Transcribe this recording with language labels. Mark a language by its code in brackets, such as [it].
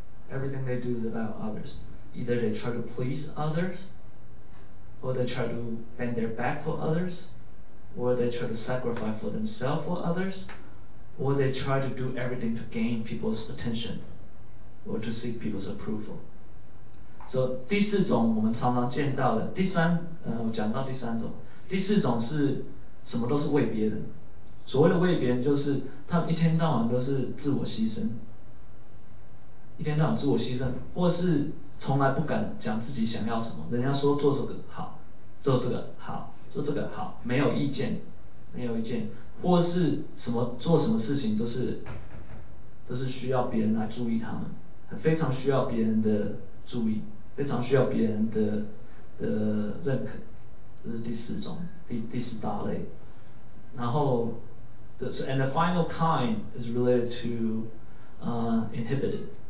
[en] Either they try to please others, or they try to bend their back for others, or they try to sacrifice for themselves for others, or they try to do everything to gain people's attention or to seek people's approval. So [zh] 第四种我们常常见到的第三，我讲到第三种，第四种是什么都是为别人，所谓的为别人，就是他们一天到晚都是自我牺牲，一天到晚自我牺牲，或是从来不敢讲自己想要什么。人家说做这个好，做这个好，做这个好，没有意见，没有意见，或是什么做什么事情都是需要别人来注意，他们非常需要别人的注意，非常需要别人的认可。这是第四种，第四大类。然后 [en] and the final kind is related to inhibited.